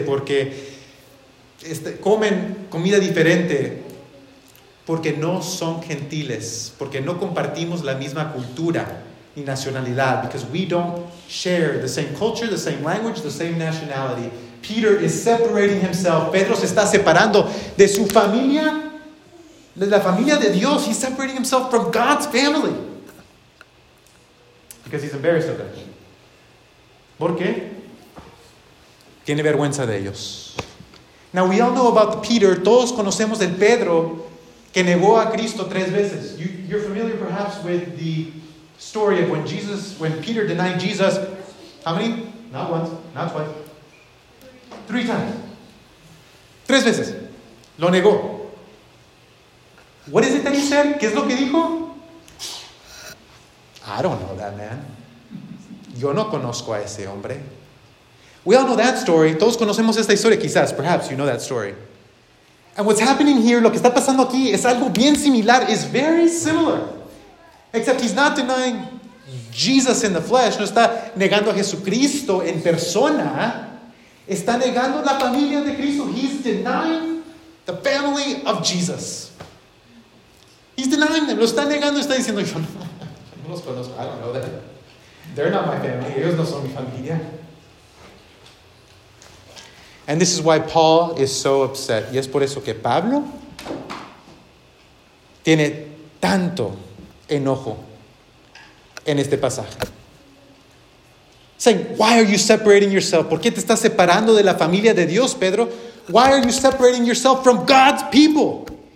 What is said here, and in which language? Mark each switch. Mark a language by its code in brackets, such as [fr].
[es] Porque comen comida diferente. Porque no son gentiles. Porque no compartimos la misma cultura. Y nacionalidad, [en] because we don't share the same culture, the same language, the same nationality. Peter is separating himself. [es] Pedro se está separando de su familia, de la familia de Dios. [en] He's separating himself from God's family. Because he's embarrassed of them. [es] ¿Por qué? Tiene vergüenza de ellos. [en] Now we all know about Peter. [es] Todos conocemos del Pedro que negó a Cristo tres veces. [en] You're familiar perhaps with the story of when Peter denied Jesus. How many? Not once, not twice. Three times. [es] Tres veces. Lo negó. [en] What is it that he said? [es] ¿Qué es lo que dijo? [en] I don't know that man. [es] Yo no conozco a ese hombre. [en] We all know that story. [es] Todos conocemos esta historia, quizás. [en] Perhaps you know that story. And what's happening here, [es] lo que está pasando aquí, es algo bien similar. [en] It's very similar. Except he's not denying Jesus in the flesh. [es] No está negando a Jesucristo en persona. Está negando la familia de Cristo. [en] He's denying the family of Jesus. He's denying them. [es] Lo está negando. Está diciendo, yo no los conozco. [en] I don't know them. They're not my family. [es] Ellos no son mi familia. [en] And this is why Paul is so upset. [es] Y es por eso que Pablo tiene tanto enojo en este pasaje. [en] Saying, why are you separating yourself? [es] ¿Por qué te estás separando de la familia de Dios, Pedro? [en] Why are you separating yourself from God's people?